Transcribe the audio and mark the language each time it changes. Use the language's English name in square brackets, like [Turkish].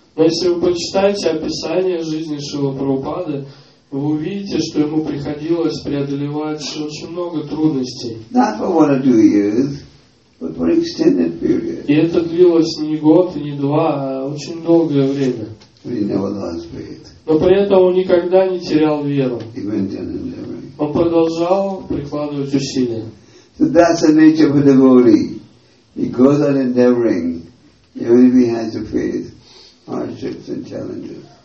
[Russian] Но если вы почитаете описание жизни Шрилы Прабхупады, вы увидите, что ему приходилось преодолевать очень много трудностей. [English] Not for one or two years, but for an extended period. [Russian] И это длилось не год, не два, а очень долгое время. [English] But he never lost faith. [Russian] Но при этом он никогда не терял веру. [English] He went on endeavoring. [Russian] Он продолжал прикладывать усилия. [English] So that's the nature of a devotee. He goes on endeavoring, even if he has to face hardships and challenges.